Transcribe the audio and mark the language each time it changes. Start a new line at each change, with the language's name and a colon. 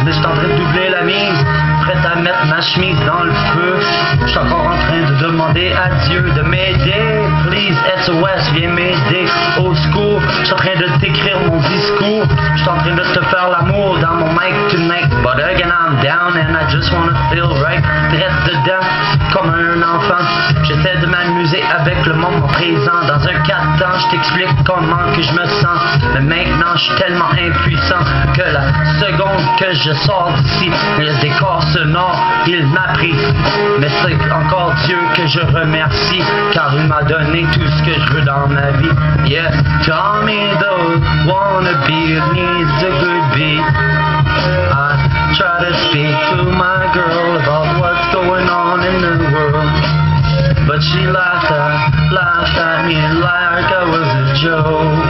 French: Mais je suis en train de doubler la mise, prêt à mettre ma chemise dans le feu. Je suis encore en train de demander à Dieu de m'aider. Please, SOS, viens m'aider au secours. Je suis en train de t'écrire mon discours. Je suis en train de te faire l'amour dans mon mic tonight.
English: But again, I'm down and I just wanna feel right.
French: Très dedans, comme un enfant. J'essaie de m'amuser avec le moment présent. Dans un 4 ans, je t'explique comment que je me sens. Mais maintenant, je suis tellement impuissant que la seconde que je sors d'ici, le décor sonore, il m'a pris. Mais c'est encore Dieu que je remercie, car il m'a donné tout ce que je veux dans ma vie.
English: Yeah, Tommy the wannabe needs a good beat. I try to speak to my girl about what's going on in the world, but she laughed at me like I was a joke.